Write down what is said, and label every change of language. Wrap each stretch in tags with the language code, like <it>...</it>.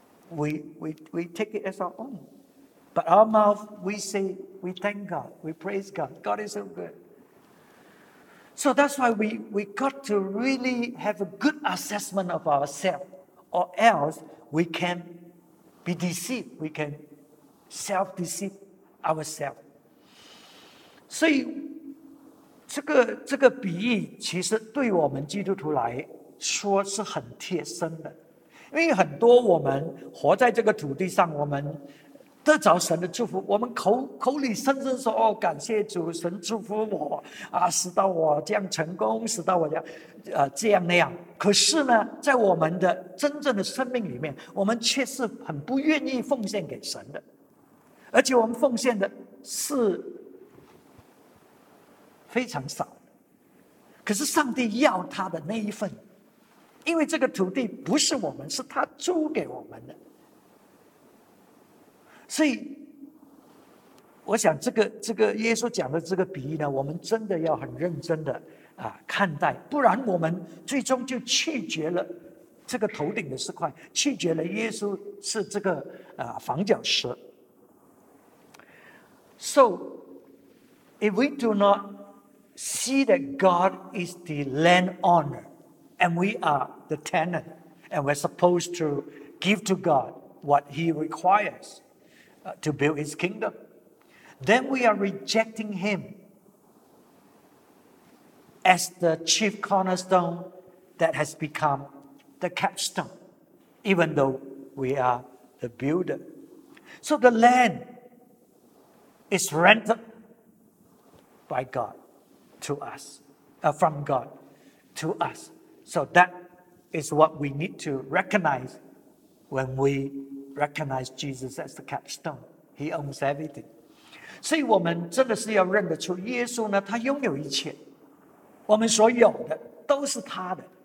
<en>We take it as our own. But our mouth, we say, we thank God, we praise God. God is so good. So that's why we got to really have a good assessment of ourselves, or else we can be deceived. We can self-deceive ourselves.</en> <zh>所以这个比喻其实对我们基督徒来说是很贴身的，因为很多我们活在这个土地上，我们得着神的祝福，我们口里声声说，哦，感谢主，神祝福我啊，使到我这样成功，使到我这样这样那样，可是呢，在我们的真正的生命里面，我们却是很不愿意奉献给神的，而且我们奉献的是非常少，可是上帝要他的那一份，因为这个土地不是我们，是他租给我们的。所以我想这个耶稣讲的这个比喻呢，我们真的要很认真的看待，不然我们最终就弃绝了这个头顶的石块，弃绝了耶稣是这个房角石。</zh> <en>So if we do not see that God is the land owner And we are the tenant. And we're supposed to give to God what he requires to build his kingdom. Then we are rejecting him as the chief cornerstone that has become the capstone, even though we are the builder. So the land is rented by God to us, from God to us. So that is what we need to recognize when we recognize Jesus as the capstone. He owns everything.</en> <zh>所以我们真的是要认得出耶稣呢，他拥有一切，我们所有的都是他的。</zh>